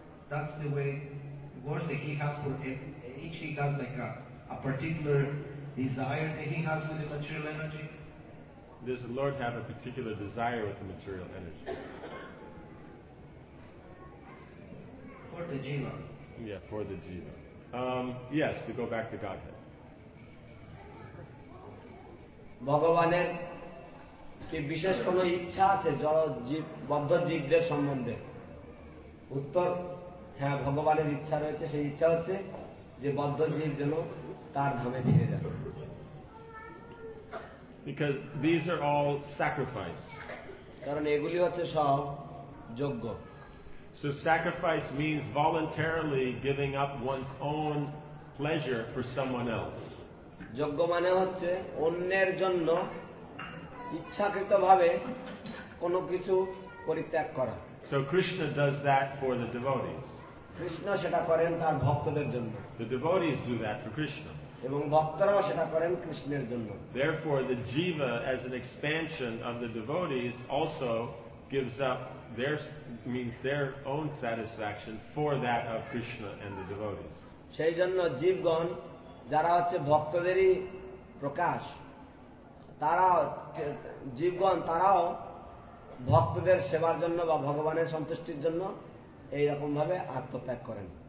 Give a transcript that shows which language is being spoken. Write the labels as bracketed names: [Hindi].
[English] That's the way it works. That he has for him. Each he has like a particular desire that he has with the material energy. Does the Lord have a particular desire with the material energy? For the jiva. Yeah, for the jiva. Yes, to go back to Godhead. [Bangla] ভগবানের কি বিশেষ কোন ইচ্ছা আছে বদ্ধ জীবদের সম্বন্ধে? উত্তর, হ্যাঁ, ভগবানের ইচ্ছা রয়েছে। সেই ইচ্ছা হচ্ছে যে বদ্ধ জীব যেন তার ধামে ফিরে যান। [English] Because these are all sacrifice. [Bangla] কারণ এগুলি হচ্ছে সব যজ্ঞ। [English] So sacrifice means voluntarily giving up one's own pleasure for someone else. [Bangla] যজ্ঞ মানে হচ্ছে অন্যের জন্য ইচ্ছাকৃত ভাবে কোন কিছু পরিত্যাগ করা। [English] So Krishna does that for the devotees. [Bangla] Krishna সেটা করেন তার ভক্তদের জন্য। [English] The devotees do that for Krishna. [Bangla] এবং ভক্তরাও সেটা করেন কৃষ্ণের জন্য। [English] Therefore the jiva as an expansion of the devotees also gives up their means their own satisfaction for that of Krishna and the devotees. [Bangla] সেই জন্য জীবগণ যারা হচ্ছে ভক্তদেরই প্রকাশ, তারাও জীবগণ তারাও ভক্তদের সেবার জন্য বা ভগবানের সন্তুষ্টির জন্য এইরকম ভাবে আত্মত্যাগ করেন।